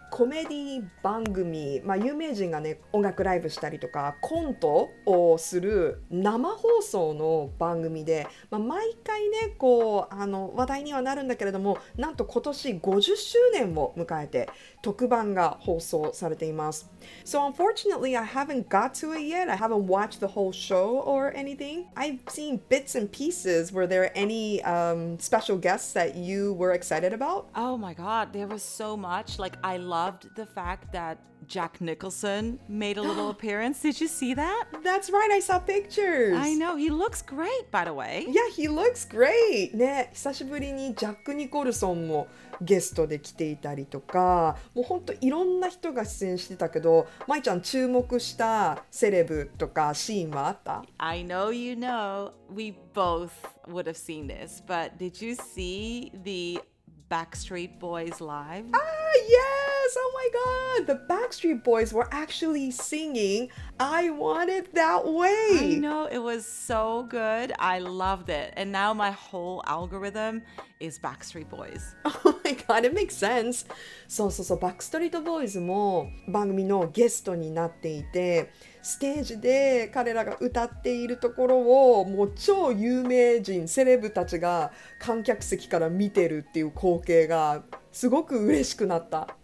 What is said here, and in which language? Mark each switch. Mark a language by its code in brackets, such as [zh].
[ja] コメディ番組、まあ、有名人がね音楽ライブしたりとかコントをする生放送の番組で、まあ、毎回ねこう話題にはなるんだけれども、なんと今年50周年を迎えて特番が放送されています。 [en] So unfortunately I haven't got to it yet. I haven't watched the whole show or anything. I've seen bits and pieces. Were there any special guests that you were excited about? Oh my god, there was so much. Like I loved the fact that Jack Nicholson made a little appearance. Did you see that? That's right, I saw pictures. I know, he looks great by the way. Yeah, he looks great. [ja] ね、久しぶりにジャック・ニコルソンもゲストで来ていたりとか、もう本当いろんな人が出演してたけど、まいちゃん注目したセレブとかシーンはあった？ [en] I know you know, we both would have seen this, but did you see the Backstreet Boys live? Ah, yes! Oh my god! The Backstreet Boys were actually singing I Want It That Way! I know, it was so good. I loved it. And now my whole algorithm is Backstreet Boys. Oh my god, it makes sense! [ja] そうそうそう、Backstreet Boys も番組のゲストになっていて、ステージで彼らが歌っているところをもう超有名人セレブたちが観客席から見てるっていう光景がすごく嬉しくなった。